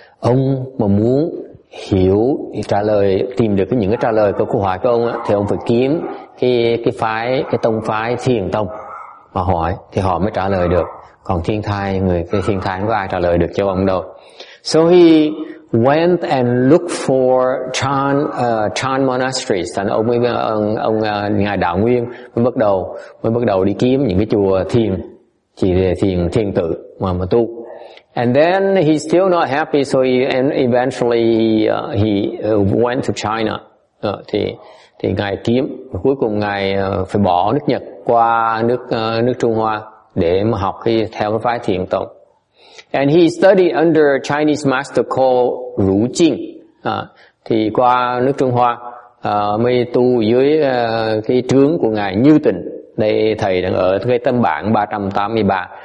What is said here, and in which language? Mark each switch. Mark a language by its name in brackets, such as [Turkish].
[Vietnamese] ông mà muốn hiểu trả lời, tìm được những cái trả lời của câu hỏi của ông á, thì ông phải kiếm cái phái, cái tông phái thiền tông mà hỏi thì họ mới trả lời được. Còn thiên thai, người cái thiên thai không có ai trả lời được cho ông đâu. [English] So he went and looked for Chan monasteries. [Vietnamese] Thành ông ngài Đạo Nguyên mới bắt đầu đi kiếm những cái chùa thiền, chỉ thiền thiền tự mà tu. [English] And then he still not happy, so he eventually went to China. [Vietnamese] Thì ngài kiếm, cuối cùng ngài phải bỏ nước Nhật qua nước Trung Hoa để mà học theo cái phái thiền tông. [English] And he studied under a Chinese master called Ru Jing. [Vietnamese] Thì qua nước Trung Hoa mới tu dưới cái trướng của ngài Như Tịnh. Đây thầy đang ở cái tâm bản 383.